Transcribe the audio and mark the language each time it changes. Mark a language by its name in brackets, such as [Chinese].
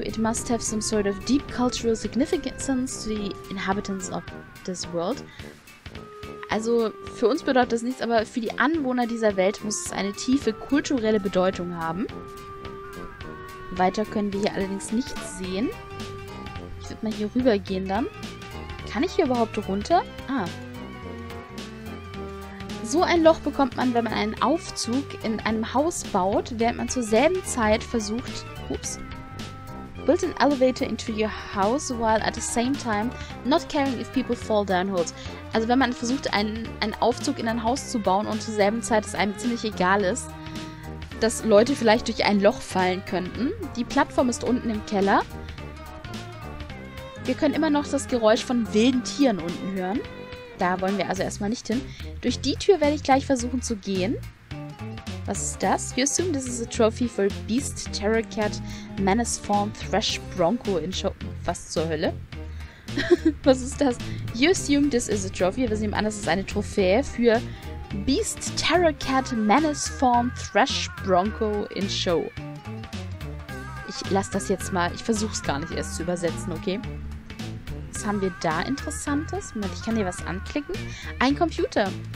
[English] It must have some sort of deep cultural significance to the inhabitants of this world. [German] Also, für uns bedeutet das nichts, aber für die Anwohner dieser Welt muss es eine tiefe kulturelle Bedeutung haben. Weiter können wir hier allerdings nichts sehen. Ich würde mal hier rüber gehen dann. Kann ich hier überhaupt runter? Ah. So ein Loch bekommt man, wenn man einen Aufzug in einem Haus baut, während man zur selben Zeit versucht... Ups. [English] Build an elevator into your house while at the same time not caring if people fall down holes. [German] Also wenn man versucht, einen Aufzug in ein Haus zu bauen und zur selben Zeit es einem ziemlich egal ist, dass Leute vielleicht durch ein Loch fallen könnten. Die Plattform ist unten im Keller. Wir können immer noch das Geräusch von wilden Tieren unten hören. Da wollen wir also erstmal nicht hin. Durch die Tür werde ich gleich versuchen zu gehen. Was ist das? [English] You assume this is a trophy for Beast, Terror Cat, Menace Form, Thresh Bronco in Show... [German] Was zur Hölle? Was ist das? [English] You assume this is a trophy. [German] Wir nehmen an, das ist eine Trophäe für Beast, Terror Cat, Menace Form, Thresh Bronco in Show. Ich lasse das jetzt mal. Ich versuche es gar nicht erst zu übersetzen, okay? Was haben wir da Interessantes? Moment, ich kann hier was anklicken. Ein Computer.